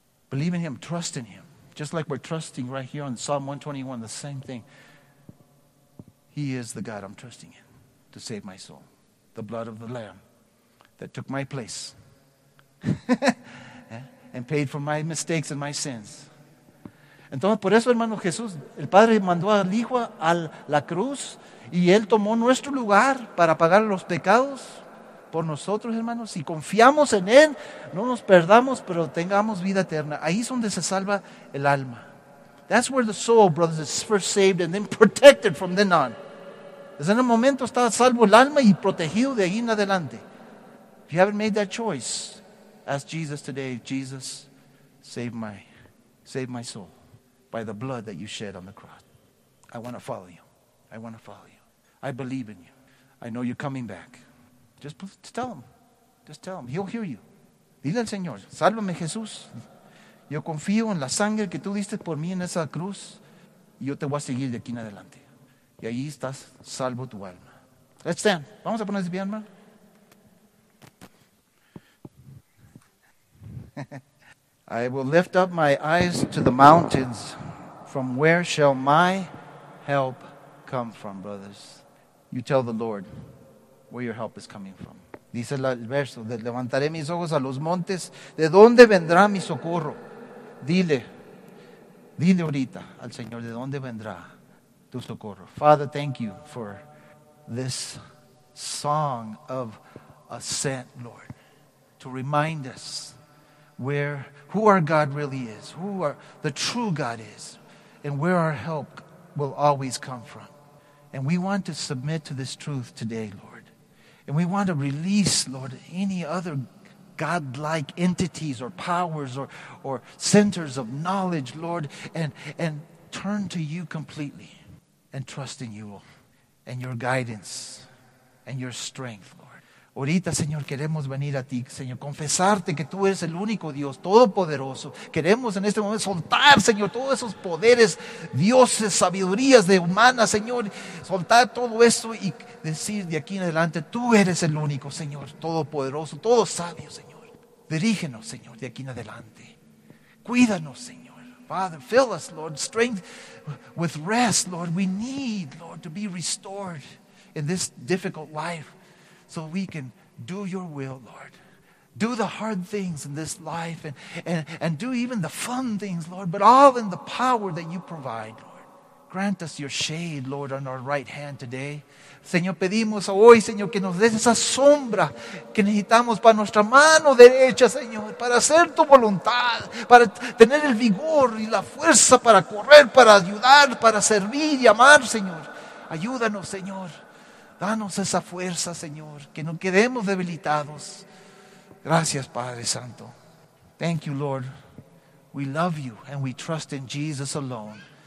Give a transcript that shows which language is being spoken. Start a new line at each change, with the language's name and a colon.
English: Believe in Him, trust in Him. Just like we're trusting right here on Psalm 121, the same thing. He is the God I'm trusting in to save my soul. The blood of the Lamb that took my place. Yeah? And paid for my mistakes and my sins.
Spanish: Entonces, por eso, hermano Jesús, el Padre mandó al Hijo a la cruz y Él tomó nuestro lugar para pagar los pecados por nosotros, hermanos. Si confiamos en Él, no nos perdamos, pero tengamos vida eterna. Ahí es donde se salva el alma.
English: That's where the soul, brothers, is first saved and then protected from then on.
Spanish: Desde el momento está salvo el alma y protegido de ahí en adelante.
English: If you haven't made that choice, ask Jesus today, Jesus, save my soul by the blood that you shed on the cross. I want to follow you. I want to follow you. I believe in you. I know you're coming back. Just tell him. He'll hear you.
Spanish: Dile al Señor, sálvame, Jesús. Yo confío en la sangre que tú diste por mí en esa cruz. Y yo te voy a seguir de aquí en adelante. Y ahí estás, salvo tu alma.
English: Let's stand.
Spanish: Vamos a ponerse bien, hermano.
English: I will lift up my eyes to the mountains. From where shall my help come from, brothers? You tell the Lord where your help is coming from.
Spanish: Dice el verso, levantaré mis ojos a los montes. ¿De dónde vendrá mi socorro? Dile ahorita al Señor, ¿de dónde vendrá tu socorro?
English: Father, thank you for this song of ascent, Lord, to remind us who our God really is, who are the true God is, and where our help will always come from. And we want to submit to this truth today, Lord. And we want to release, Lord, any other God-like entities or powers or centers of knowledge, Lord, and turn to you completely and trust in you, Lord, and your guidance and your strength, Lord.
Spanish: Ahorita, Señor, queremos venir a ti, Señor, confesarte que tú eres el único Dios todopoderoso. Queremos en este momento soltar, Señor, todos esos poderes, dioses, sabidurías de humanas, Señor, soltar todo eso y decir de aquí en adelante, tú eres el único, Señor, todopoderoso, todo sabio, Señor. Dirígenos, Señor, de aquí en adelante. Cuídanos, Señor.
English: Father, fill us, Lord, strength with rest, Lord. We need, Lord, to be restored in this difficult life so we can do your will, Lord. Do the hard things in this life and do even the fun things, Lord, but all in the power that you provide, Lord. Grant us your shade, Lord, on our right hand today.
Spanish: Señor, pedimos hoy, Señor, que nos des esa sombra que necesitamos para nuestra mano derecha, Señor, para hacer tu voluntad, para tener el vigor y la fuerza para correr, para ayudar, para servir y amar, Señor. Ayúdanos, Señor. Danos esa fuerza, Señor, que no quedemos debilitados. Gracias, Padre Santo.
English: Thank you, Lord. We love you and we trust in Jesus alone.